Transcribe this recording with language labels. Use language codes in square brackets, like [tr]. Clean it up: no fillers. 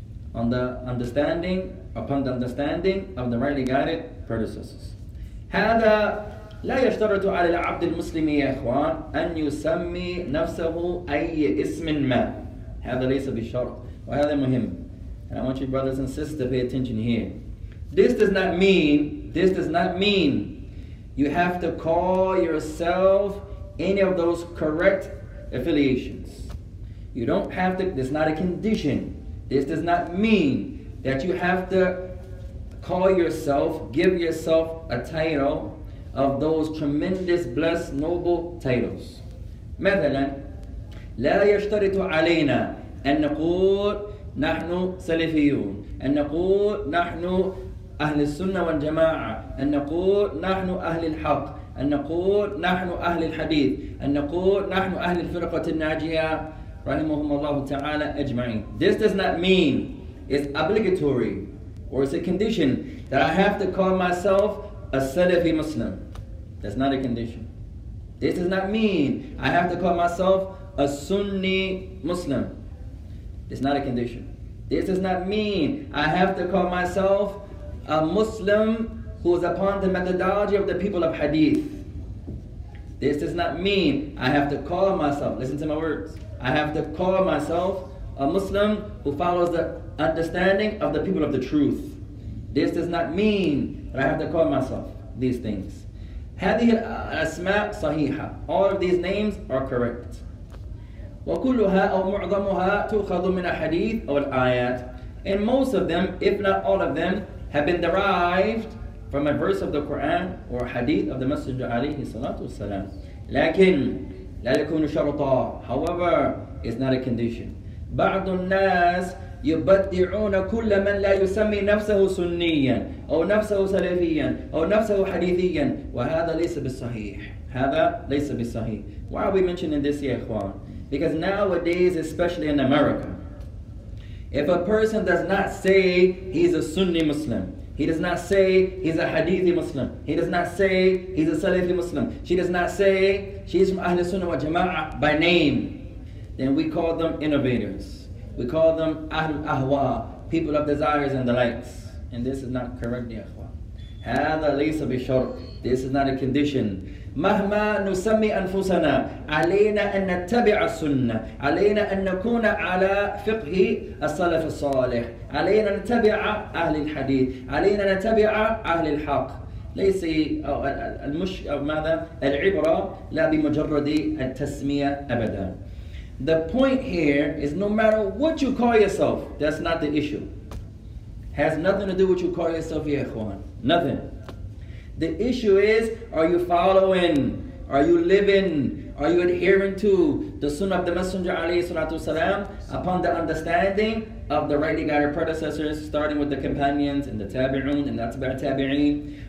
[en] upon the understanding of the rightly guided predecessors hada [ar] لا يشترط على العبد المسلم يا إخوان أن يسمي نفسه أي اسم ما هذا ليس بشرط وهذا مهم [en] and I want you brothers and sisters to pay attention here this does not mean you have to call yourself any of those correct affiliations you don't have to this is not a condition this does not mean that you have to call yourself give yourself a title of those tremendous, blessed, noble titles. [ar] مثلا لا يشترط علينا أن نقول نحن سلفيون أن نقول نحن أهل السنة والجماعة أن نقول نحن أهل الحق أن نقول نحن أهل الحديث أن نقول نحن أهل الفرقة الناجية رحمهم الله تعالى أجمعين [en] This does not mean it's obligatory or it's a condition that I have to call myself a Salafi Muslim. That's not a condition. This does not mean I have to call myself a Sunni Muslim. It's not a condition. This does not mean I have to call myself a Muslim who is upon the methodology of the people of Hadith. This does not mean I have to call myself, listen to my words, I have to call myself a Muslim who follows the understanding of the people of the truth. This does not mean that I have to call myself these things. [ar] هذه الأسماء صحيحة. [en] All of these names are correct. [ar] وكلها أو معظمها تؤخذ من الحديث أو الآيات. [en] And most of them, if not all of them, have been derived from a verse of the Quran or a hadith of the Messenger عليه الصلاة والسلام. [ar] لكن لا يكون شرطا. [en] However, it's not a condition. [ar] بعض الناس يبدعون كل من لا يسمي نفسه سنيا أو نفسه سلفيا أو نفسه حديثيا وهذا ليس بالصحيح. هذا ليس بالصحيح. [en] Why are we mentioning this, يا إخوان? Because nowadays, especially in America, if a person does not say he's a Sunni Muslim, he does not say he's a Hadithi Muslim, he does not say he's a Salafi Muslim, she does not say she's from Ahl Sunnah wa Jama'ah by name, then we call them innovators. We call them Ahl Ahwa, people of desires and delights. And this is not correct, Ya Akhwa. [ar] هذا ليس بشرط. [en] This is not a condition. [ar] مهما نسمي أنفسنا علينا أن نتبع السنة علينا أن نكون على فقه السلف الصالح علينا نتبع أهل الحديث علينا نتبع أهل الحق ليس أو المش أو ماذا العبرة لا بمجرد التسمية أبدا. [en] The point here is no matter what you call yourself, that's not the issue. Has nothing to do with what you call yourself, يا إخوان. Nothing. The issue is, are you following, are you living, are you adhering to the Sunnah of the Messenger alayhi salatu wasalam upon the understanding of the rightly guided predecessors, starting with the companions and the tabi'un and the atba' tabi'een?